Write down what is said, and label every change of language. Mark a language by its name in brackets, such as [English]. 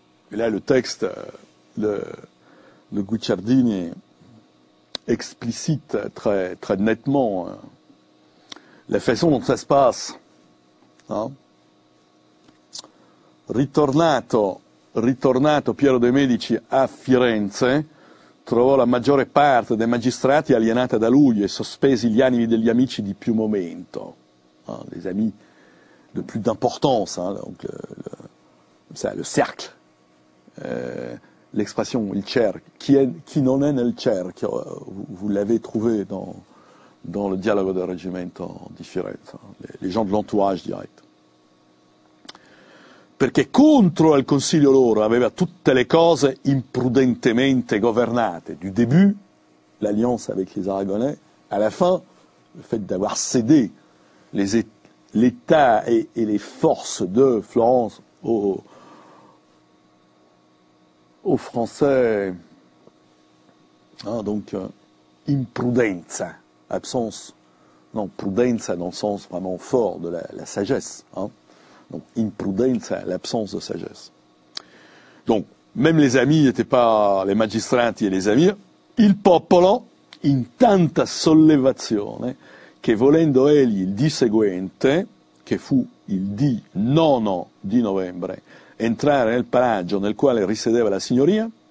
[French] Et là, le texte de Guicciardini explicite très, très nettement la façon dont ça se passe. Hein. [Italian] Ritornato Piero de' Medici à Firenze, trovò la maggiore parte dei magistrati alienata da lui e sospesi gli animi degli amici di più momento. [French] Hein, les amis de plus d'importance, hein, donc le cercle. L'expression « il cerchio », qui [Italian] non è nel cerchio, [French] vous l'avez trouvé dans le dialogue de reggimento differente, les gens de l'entourage direct. [Italian] Perché contro il consiglio loro aveva tutte le cose imprudentemente governate, [French] du début, l'alliance avec les Aragonais, à la fin, le fait d'avoir cédé l'État et les forces de Florence aux Français, hein, donc imprudenza, absence, non, prudenza dans le sens vraiment fort de la sagesse, hein, donc imprudenza, l'absence de sagesse. Donc, même les amis [Italian] n'étaient pas les magistrati et les amis, il popolo, in tanta sollevazione, che volendo egli il dì seguente, che fu il dì 9 di novembre, entrare nel palazzo nel quale risiedeva la signoria,